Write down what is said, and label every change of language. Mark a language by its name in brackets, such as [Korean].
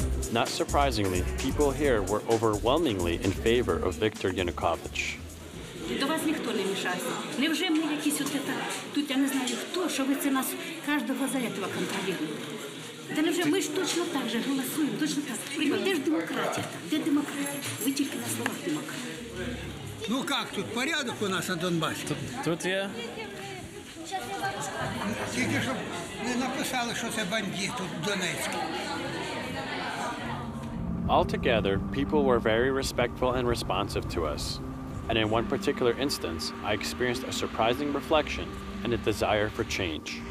[English] Not surprisingly, people here were overwhelmingly in favor of Viktor Yanukovych. [Ukrainian] До вас ніхто не мішається. Невже ми якісь от тепер? Тут я не знаю хто, що ви це нас кожного за цього контролюєте. Та невже ми ж точно так же голосуємо, точно так. Прийом, де ж демократія? Де демократія? Ви тільки на словах демократія. Ну як тут, порядок у нас на Донбасі? Тут є. Тільки, щоб не написали, що це бандити в Донецьку. [English] Altogether, people were very respectful and responsive to us. And in one particular instance, I experienced a surprising reflection and a desire for change.